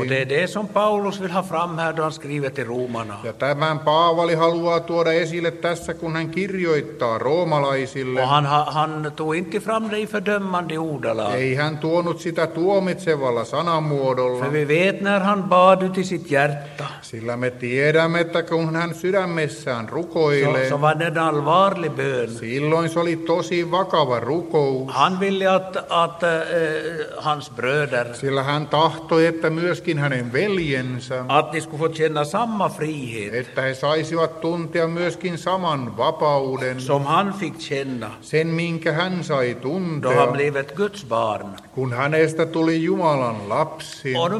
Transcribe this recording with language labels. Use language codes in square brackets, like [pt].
[sv] Och det är det som Paulus vill ha fram här då han skriver till romarna. [fi] Ja tämän Paavali haluaa tuoda esille tässä, kun hän kirjoittaa roomalaisille. [sv] Och han tog inte fram det i fördömmande ordalag. [fi] Ei hän tuonut sitä tuomitsevalla sanamuodolla. [sv] För vi vet när han bad ut i sitt hjärta. [fi] Sillä me tiedämme, että kun hän sydämessään rukoilee. [sv] Se var en allvarlig bön. [fi] Silloin se oli tosi vakava rukous. [sv] Han ville att hans bröder. [fi] Sillä hän tahtoi, että myöskin hänen veljensä, [sv] samma frihet, [fi] että he saisivat tuntea myöskin saman vapauden, [sv] som han fick känna, [fi] sen minkä hän sai tuntea, [sv] då han blivit Guds barn. [fi] Kun hänestä tuli Jumalan lapsi.